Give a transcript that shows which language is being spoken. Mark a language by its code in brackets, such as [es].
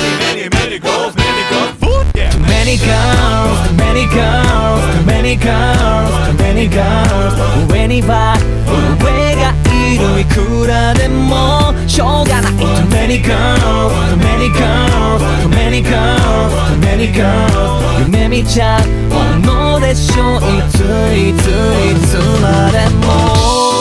[en] Too many girls, too many girls, too many girls, too many girls. [ja] 上には上がいる、いくらでもしょうがない。 [en] Too many girls, too many girls, too many girls, too many girls. [ja] 夢見ちゃうのでしょ、いついついつまでも。